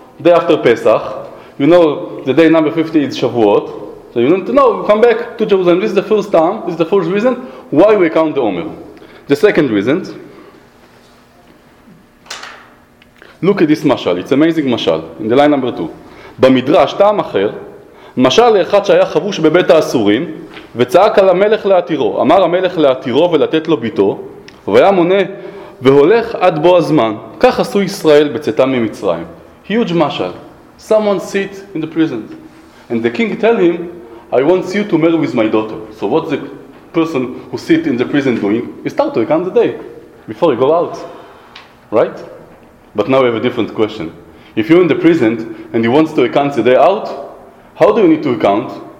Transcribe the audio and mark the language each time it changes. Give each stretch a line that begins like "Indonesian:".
English: Day after Pesach, you know the day number 50 is Shavuot, so you need to know, come back to Jerusalem. This is the first time, this is the first reason why we count the Omer. The second reason, look at this mashal, it's amazing mashal, in the line number 2.
Hebrew: במדרש, טעם אחר, משל לאחד שהיה חבוש בבית האסורים, וצעק על המלך להתירו, אמר המלך להתירו ולתת לו ביתו, והיה מונה והולך עד בוא הזמן, כך עשו ישראל בצאתם ממצרים.
English: Huge mashal. Someone sits in the prison And the king tell him, I want you to marry with my daughter. So what's the person who sit in the prison doing? He start to count the day before he go out, right? But now we have a different question. If you're in the prison and he wants to count the day out, how do you need to count?